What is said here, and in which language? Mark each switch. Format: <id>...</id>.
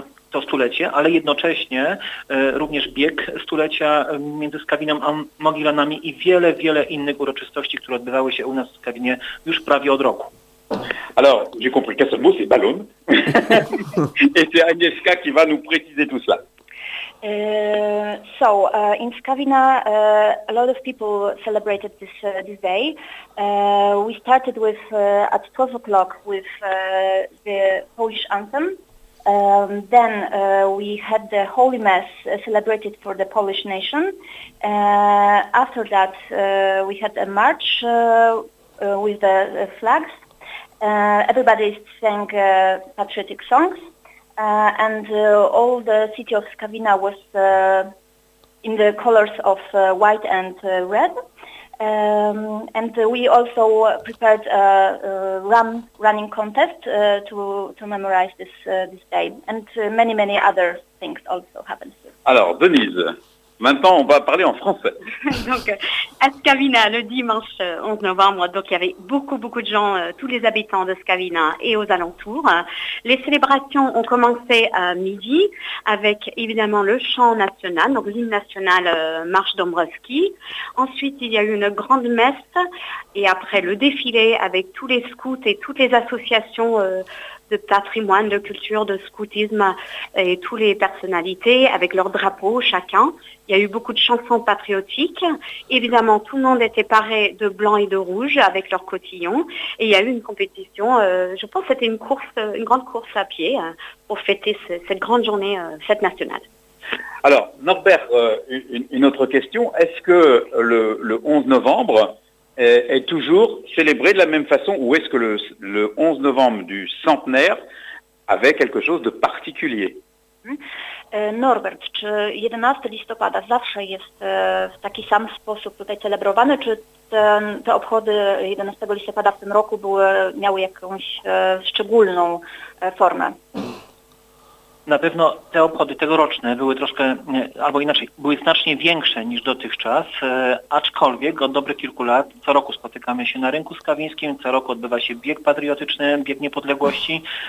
<pl>to stulecie, ale jednocześnie również bieg stulecia między Skawiną a Mogilanami i wiele, wiele innych uroczystości, które odbywały się u nas w Skawinie już prawie od roku.</pl> <fr>Alors, j'ai compris qu'un seul mot, c'est ballon. Et c'est Agnieszka qui va nous préciser tout cela.</fr> <en>So, in Skawina, a lot of people celebrated this day. We started with at 12 o'clock with the Polish anthem. Then we had the Holy Mass celebrated for the Polish nation. After that, we had a march with the flags. Everybody sang patriotic songs, and all the city of Skawina was in the colors of white and red. And we also prepared a running contest to memorize this day, and many, many other things also happened.</en> <fr>Alors, Denise, maintenant on va parler en français. Donc, à Skawina, le dimanche 11 novembre, donc il y avait beaucoup, beaucoup de gens, tous les habitants de Skawina et aux alentours. Les célébrations ont commencé à midi avec évidemment le chant national, donc l'hymne national Marche Dombrowski. Ensuite, il y a eu une grande messe et après le défilé avec tous les scouts et toutes les associations de patrimoine, de culture, de scoutisme et tous les personnalités avec leurs drapeaux chacun. Il y a eu beaucoup de chansons patriotiques. Évidemment, tout le monde était paré de blanc et de rouge avec leurs cotillons. Et il y a eu une compétition, je pense que c'était une grande course à pied pour fêter cette grande journée, fête nationale. Alors, Norbert, une autre question. Est-ce que le 11 novembre est toujours célébré de la même façon ou est-ce que le 11 novembre du centenaire avait quelque chose de particulier?</fr> <pl>Norbert, czy 11 listopada zawsze jest w taki sam sposób tutaj celebrowany, czy te obchody 11 listopada w tym roku miały jakąś szczególną formę? Na pewno te obchody tegoroczne były troszkę, albo inaczej, były znacznie większe niż dotychczas, aczkolwiek od dobrych kilku lat co roku spotykamy się na rynku skawińskim, co roku odbywa się bieg patriotyczny, bieg niepodległości.</pl>